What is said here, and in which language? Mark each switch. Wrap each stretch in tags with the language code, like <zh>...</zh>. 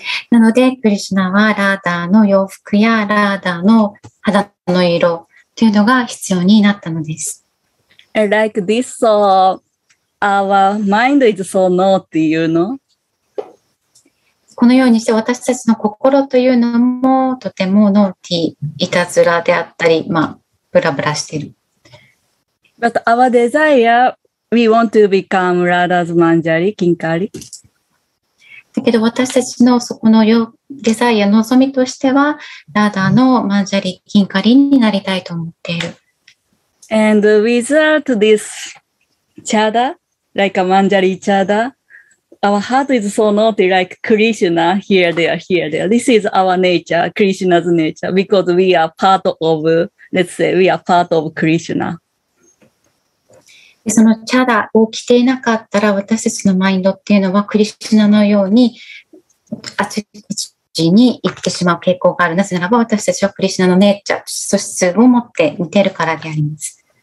<ja>なので、クリシュナはラーダーの洋服やラーダーの肌の色というのが必要になったのです。</ja> <en>I like this so. Our mind is so naughty, you know?</en> <ja>このようにして私たちの心というのもとてもノーティーいたずらであったり、まあ、ブラブラしている。</ja> <en>But our desire, we want to become Radha's Manjari, Kinkari.</en> <ja>だけど私たちのそこのデザイア、望みとしては Radha の Manjari, Kinkari になりたいと思っている。</ja> <en>And without this chada,Like a manjari chada, our heart is so naughty like Krishna, here, there. This is our nature, Krishna's nature, because we are part of, let's say, we are part of Krishna.</en> <ja>そのチャダを着ていなかったら、私たちのマインドっていうのは、クリシュナのように、あちこちに行ってしまう傾向がある。なぜならば、私たちはクリシュナのネイチャー、素質を持って見てるからであります。</ja>